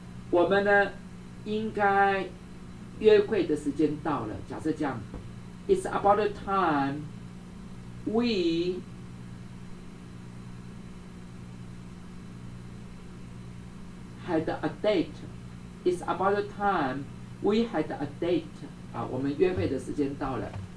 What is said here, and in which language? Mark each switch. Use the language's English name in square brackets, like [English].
[Chinese] 我们呢，应该约会的时间到了。 [English] 假设这样，It's about the time we had a date. It's about the time we had a date. [Chinese] 啊，我们约会的时间到了。